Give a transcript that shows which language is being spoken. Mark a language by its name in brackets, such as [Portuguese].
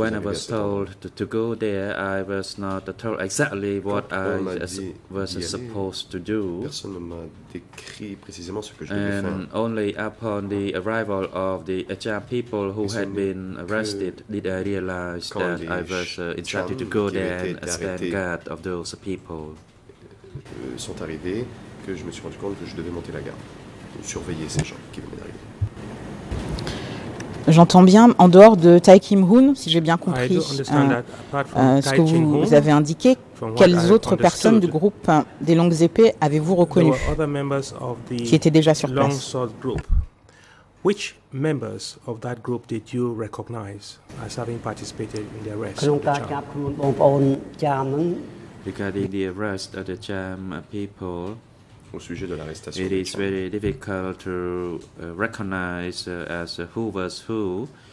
[English] when I was told to go there, I was not told exactly what I was supposed to do. [French] Personne ne m'a décrit précisément ce que je [English] and [French] devais faire. [English] Only upon the arrival of the Cham people who had been arrested did I realize that I was instructed to go there and stand guard of those people. [French] Sont arrivés que je me suis rendu compte que je devais monter la garde, surveiller ces gens qui venaient d'arriver. J'entends bien, en dehors de Tai Kim Hoon, si j'ai bien compris ce que vous avez indiqué, quelles autres personnes du groupe des longues épées avez-vous reconnues qui étaient déjà sur place? [English] Which members of that group did you recognize as having participated in the arrest? Regarding the arrest of the Cham people, [French] au sujet de l'arrestation, [English] it is very difficult to recognize as who was who.